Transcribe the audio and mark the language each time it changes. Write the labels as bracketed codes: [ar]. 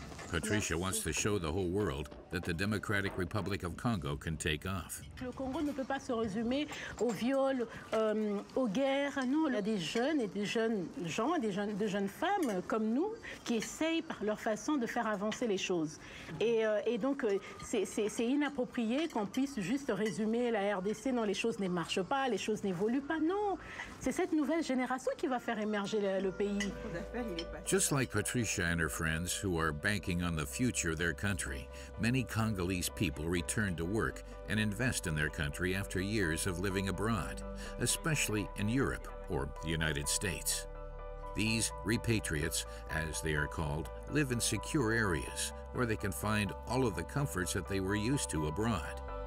[en] Patricia wants to show the whole world that the Democratic Republic of Congo can take off. [fr] Le Congo ne peut pas se résumer au viol, aux guerres. Non, il y a des jeunes et des jeunes gens, des jeunes femmes comme nous qui essayent par leur façon de faire avancer les choses. Et donc, c'est inapproprié qu'on puisse juste résumer la RDC. Non, les choses ne marchent pas, les choses n'évoluent pas. Non, c'est cette nouvelle génération qui va faire émerger le pays. [en] Just like Patricia and her friends who are banking on the future of their country, many Congolese people return to work and invest in their country after years of living abroad, especially in Europe or the United States. These repatriates, as they are called, live in secure areas where they can find all of the comforts that they were used to abroad.